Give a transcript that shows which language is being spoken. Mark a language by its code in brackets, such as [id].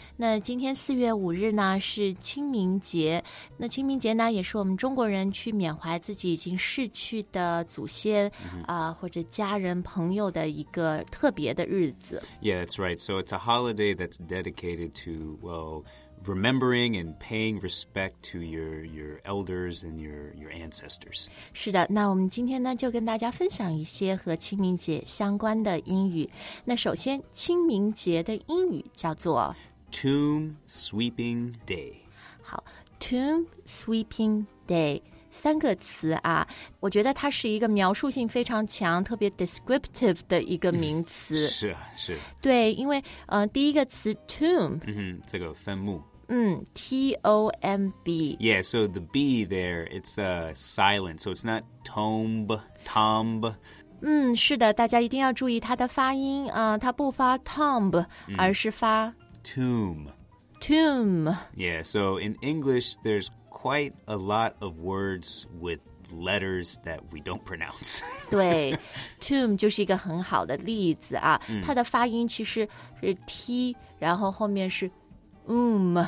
[zh] 那今天四月五日呢是清明节，那清明节呢也是我们中国人去缅怀自己已经逝去的祖先、mm-hmm. 或者家人朋友的一个特别的日子。 [en] Yeah, that's right. So it's a holiday that's dedicated to, well, remembering and paying respect to your elders and your ancestors. [zh] 是的，那我们今天呢就跟大家分享一些和清明节相关的英语。那首先，清明节的英语叫做 [en] Tomb Sweeping Day. [zh] 好 ,Tomb Sweeping Day. 三个词啊，我觉得它是一个描述性非常强，特别 descriptive 的一个名词。是啊，是。对，因为第一个词 tomb，嗯，这个坟墓。嗯 ，T-O-M-B。 [en] Yeah, so the B there, it's a silent, so it's not tomb, tomb. [zh] 嗯，是的，大家一定要注意它的发音啊，它不发 tomb，、嗯、而是发 [en] tomb。 Tomb. Yeah, so in English, there's quite a lot of words with letters that we don't pronounce. [zh] 对 ,tomb 就是一个很好的例子啊、嗯、它的发音其实是 T, 然后后面是 oom.